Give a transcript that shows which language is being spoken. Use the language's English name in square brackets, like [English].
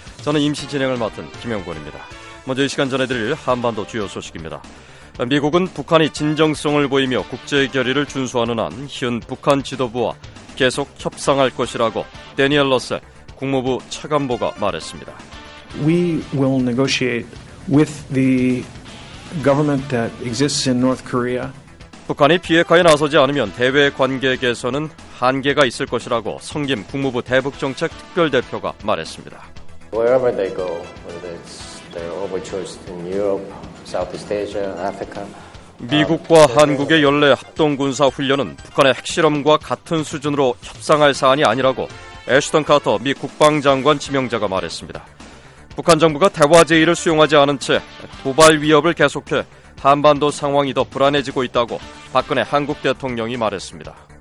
[Korean] 저는 임시 진행을 맡은 김영권입니다. 먼저 이 시간 전해드릴 한반도 주요 소식입니다. 미국은 북한이 진정성을 보이며 국제결의를 준수하는 한 현 북한 지도부와 계속 협상할 것이라고 대니얼 러셀 국무부 차관보가 말했습니다. [English] We will negotiate with the government that exists in North Korea. [Korean] 북한이 비핵화에 나서지 않으면 대외 관계 개선은 한계가 있을 것이라고 성김 국무부 대북정책특별대표가 말했습니다. [English] Wherever they go, whether it's their only choice in Europe, Southeast Asia, Africa. [Korean] 미국과 한국의 연례 합동군사 훈련은 북한의 핵실험과 같은 수준으로 협상할 사안이 아니라고 애쉬턴 카터 미 국방장관 지명자가 말했습니다. 북한 정부가 대화 제의를 수용하지 않은 채 도발 위협을 계속해 한반도 상황이 더 불안해지고 있다고 박근혜 한국 대통령이 말했습니다.